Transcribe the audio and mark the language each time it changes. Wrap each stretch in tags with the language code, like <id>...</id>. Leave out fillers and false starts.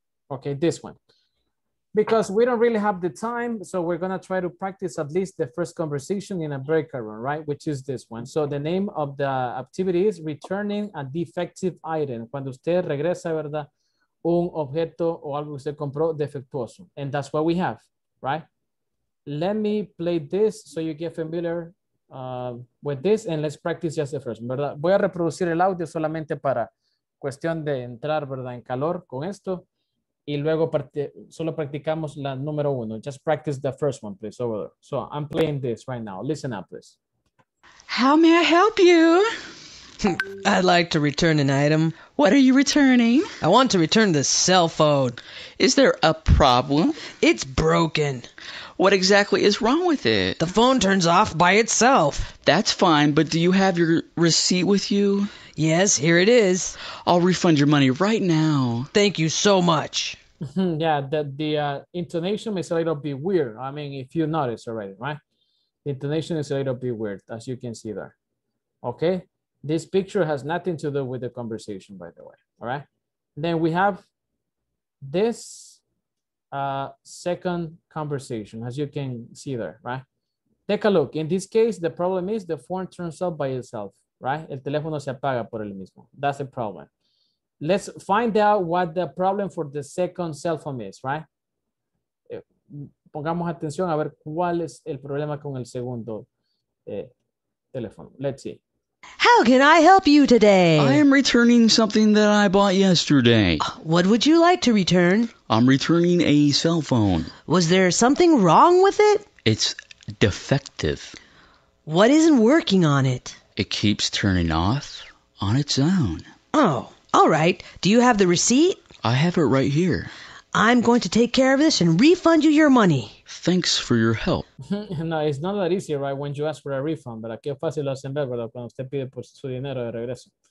<en>Okay, this one. Because we don't really have the time, so we're gonna try to practice at least the first conversation in a breakout room, right? Which is this one. So the name of the activity is returning a defective item.</en> <es>Cuando usted regresa, ¿verdad? Un objeto o algo que usted compró defectuoso.</es> <en>And that's what we have, right? Let me play this so you get familiar with this, and let's practice just the first, ¿verdad?</en> <es>Voy a reproducir el audio solamente para cuestión de entrar, ¿verdad? En calor con esto, y luego solo practicamos la número uno.</es> <en>Just practice the first one, please, over there. So I'm playing this right now. Listen up, please. How may I help you? I'd like to return an item. What are you returning? I want to return this cell phone. Is there a problem? It's broken. What exactly is wrong with it? The phone turns off by itself. That's fine, but do you have your receipt with you? Yes, here it is. I'll refund your money right now. Thank you so much. Yeah, the intonation is a little bit weird. I mean, if you notice already, right? The intonation is a little bit weird, as you can see there. Okay, This picture has nothing to do with the conversation, by the way. All right. Then we have this second conversation, as you can see there, right? Take a look. In this case, the problem is the phone turns off by itself, right?</en> <es>El teléfono se apaga por el mismo.</es> <en>That's the problem. Let's find out what the problem for the second cell phone is, right?</en> <es>Pongamos atención a ver cuál es el problema con el segundo teléfono.</es> <en>Let's see. How can I help you today? I am returning something that I bought yesterday. What would you like to return? I'm returning a cell phone. Was there something wrong with it? It's defective. What isn't working on it? It keeps turning off on its own. Oh, all right. Do you have the receipt? I have it right here. I'm going to take care of this and refund you your money. Thanks for your help. No, it's not that easy, right, when you ask for a refund.</en> <es>Pero qué fácil lo hacen ver, ¿verdad? Cuando usted pide por su dinero de regreso.</es>